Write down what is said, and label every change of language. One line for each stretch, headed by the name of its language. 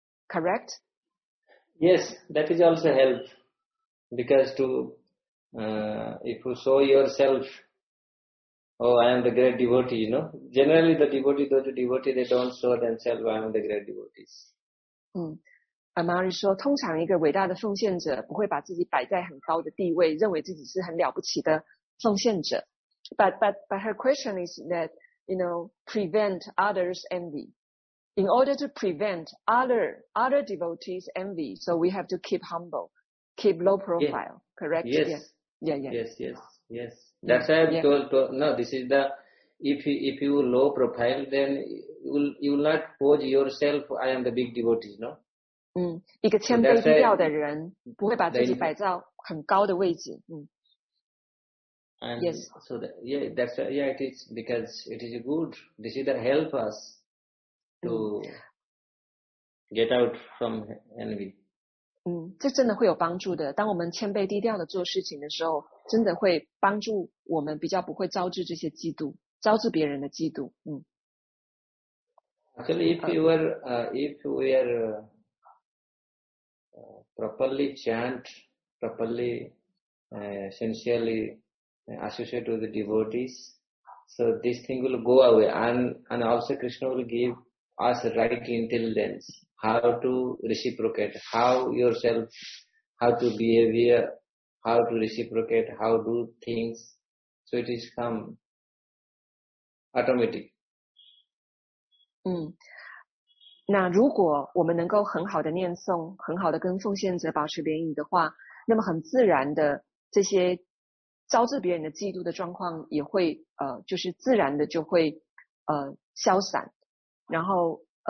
English: Correct? Yes, that is also help. Because to if you show yourself, oh, I am the great devotee, you know. Generally, the devotee, they don't show themselves, I am the great devotees.
Chinese: Amari 说，通常一个伟大的奉献者不会把自己摆在很高的地位，认为自己是很了不起的奉献者。
English: But her question is that, you know, prevent others' envy. In order to prevent other devotees' envy, so we have to keep humble, keep low profile, yeah. Correct? Yes. Yeah. That's why I told, no, this is the, if you low profile, then you will not pose yourself, I am the big devotee, no?
Chinese: 一个谦卑低调的人不会把自己摆到很高的位置。
English: And yes. So that, yeah, that's why, yeah, it is because it is good. This is the help us to get out from envy.
Chinese: 这真的会有帮助的。当我们谦卑低调的做事情的时候，真的会帮助我们比较不会招致这些嫉妒，招致别人的嫉妒。
English: Actually, properly chant, properly, sincerely associate with the devotees, so this thing will go away, and also Krishna will give us right intelligence, how to reciprocate, how to reciprocate, how to do things, so it is come automatic.
Chinese: 那如果我们能够很好的念诵，很好的跟奉献者保持联谊的话，那么很自然的这些招致别人的嫉妒的状况也会就是自然的就会消散，然后